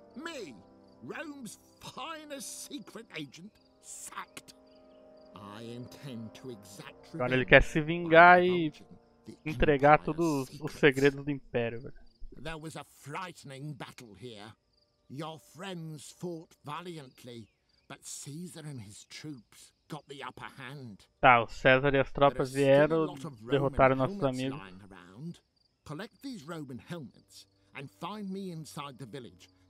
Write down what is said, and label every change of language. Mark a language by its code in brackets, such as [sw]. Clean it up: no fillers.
[en] Me, Rome's finest secret agent, sacked. I intend to exact revenge. [pt] Agora ele quer se vingar e entregar todos os segredos do Império. [en] There was a frightening battle here. Your friends fought valiantly, but Caesar and his troops got the upper hand. [pt] Tá, o César e as tropas vieram derrotar nossos amigos. [en] Collect these Roman helmets and find me inside the village.